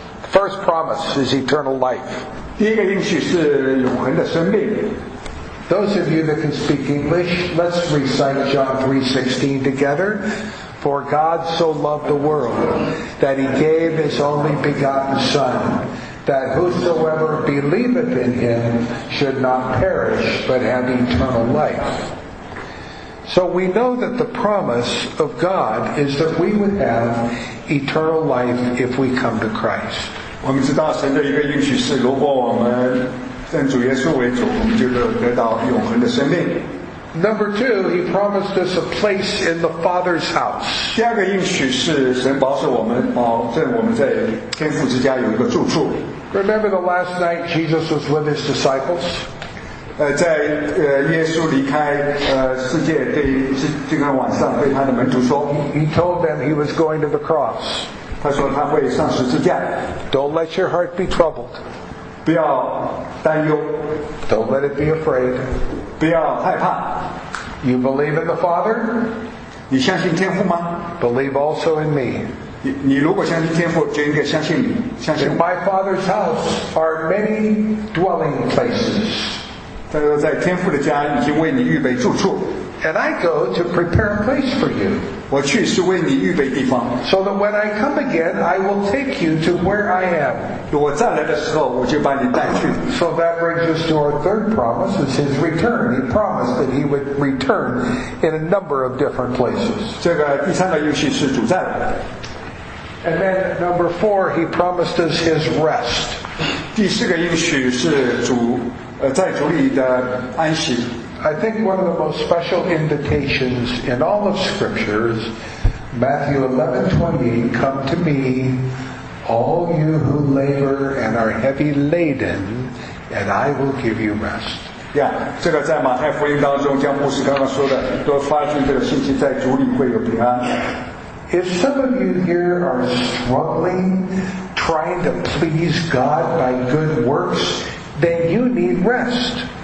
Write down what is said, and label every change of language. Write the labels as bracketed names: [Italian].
[English] First promise is eternal life. [Chinese] 第一个应许是永恒的生命。 [English] Those of you that can speak English, let's recite John 3:16 together. For God so loved the world that he gave his only begotten Son, that whosoever believeth in him should not perish, but have eternal life. So we know that the promise of God is that we would have eternal life if we come to Christ. [Chinese] 我们知道神的一个应许是，如果我们认主耶稣为主，我们就能得到永恒的生命。 [English] Number two, he promised us a place in the Father's house. [Chinese] 第二个应许是神保守我们，保证我们在天父之家有一个住处。 [English] Remember the last night Jesus was with his disciples? [Chinese] 在耶稣离开世界对是这个晚上对他的门徒说 [English] He told them he was going to the cross. [Chinese] 他说他会上十字架。 [English] Don't let your heart be troubled. [Chinese] 不要担忧。 [English] Don't let it be afraid. [Chinese] 不要害怕。 [English] You believe in the Father? [Chinese] 你相信天父吗 [English] ？Believe also in me. [Chinese] 你如果相信天父，就应该相信你。相信。 [English] In my Father's house are many dwelling places. [Chinese] 在天父的家已经为你预备住处。 [English] and I go to prepare a place for you. [Chinese] 我去是为你预备地方。 [English] So that when I come again, I will take you to where I am. [Chinese] 我再来的时候，我就把你带去。 [English] So that brings us to our third promise, is his return. He promised that he would return in a number of different places. [Chinese] 这个第三个应许是主再来。 [English] And then number four, he promised us his rest. [Chinese] 第四个应许是主在主里的安息。 [English] I think one of the most special invitations in all of Scripture is Matthew 11:28, Come to me, all you who labor and are heavy laden, and I will give you rest. [Chinese] Yeah, 这个在马太福音当中，像牧师刚刚说的，都发出这个信息，在主里会有平安。 [English] If some of you here are struggling, trying to please God by good works, then you need rest.